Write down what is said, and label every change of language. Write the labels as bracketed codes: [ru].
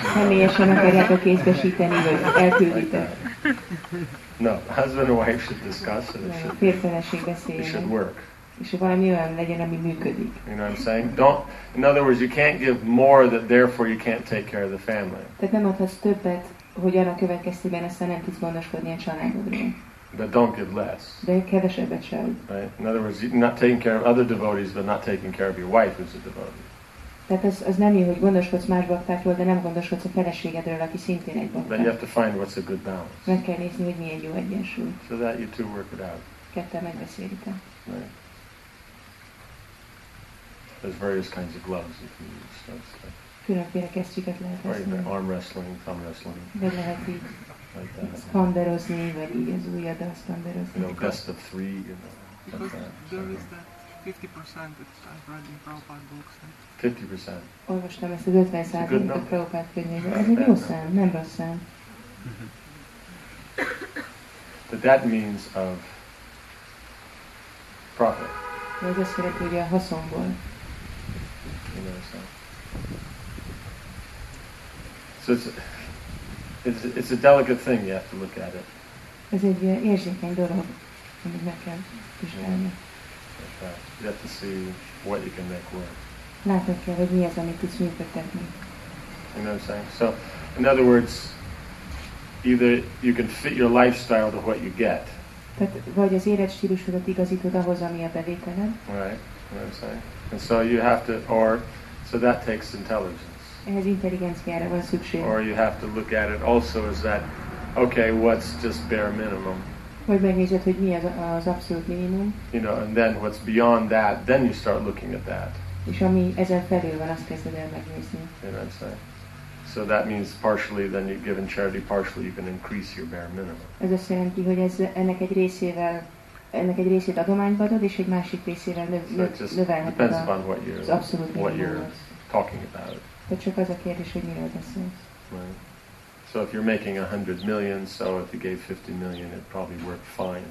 [hu] Személyesen akarjátok kézbesíteni, vagy elküldítek. [en] No, husband and wife should discuss it. It should work. [hu] És valami olyan legyen, ami működik. [en] You know what I'm saying? Don't. In other words, you can't give more that therefore you can't take care of the family. [hu] Tehát nem adhatsz többet, hogy annak következtében aztán nem tudsz gondoskodni a családodról. [en] But don't give less. [hu] De kevesebbet sem. [en] Right? In other words, you're not taking care of other devotees, but not taking care of your wife who's a devotee. [hu] Tehát az nem jó, hogy gondoskodsz más baktákról, de nem gondoskodsz a feleségedről, aki szintén egy bakták. [en] Then you have to find what's a good balance. [hu] Meg kell nézni, hogy mi egy jó egyensúly. [en] So that you two work it out. [hu] Ketten megbeszélik el. [en] There's various kinds of gloves you can use. So [hu] különféle kesztyüket lehet használni. [en] Arm wrestling, thumb wrestling. [hu] De lehet így szpanderozni, vagy így az ujjaddal szpanderozni. [en] You know, best of three, you know. Because there is that 50% that I've read in Prabhupada books. 50%. [hu] Olvastam ezt az 50%-ot a Prabhupada könyvében. Ez egy jó szám, nem rossz szám. [en] But that means of profit. [hu] De ez azt jelenti, hogy a haszonból. [en] You know, so. So it's a delicate thing, you have to look at it. [hu] Ez egy érzékeny dolog, amit meg kell vizsgálni. [en] You have to see what you can make work. [hu] Látod kell, hogy mi az, amit tudsz működtetni. [en] You know what I'm saying? So, in other words, either you can fit your lifestyle to what you get. [hu] Tehát, vagy az életstílusodat igazítod ahhoz, ami a bevételed. [en] Right, you know what I'm saying? And so you have to, or, so that takes intelligence. [hu] Ehhez intelligenciára van szükség. [en] Or you have to look at it also as that, okay, what's just bare minimum? [hu] Vagy megnézed, hogy mi az abszolút minimum. [en] You know, and then what's beyond that, then you start looking at that. [hu] És ami ezen felül van, azt kezded el megnézni. [en] You know what I'm saying? So that means partially then you give in charity, partially you can increase your bare minimum. [hu] Ez azt jelenti, hogy ez ennek egy részével, ennek egy részét adományba adod, és egy másik részével növelheted. [en] Depends upon what you're, talking about. [hu] De csak az a kérdés, hogy miről beszélsz. [en] So if you're making 100 million, so if you gave 50 million, it probably worked fine.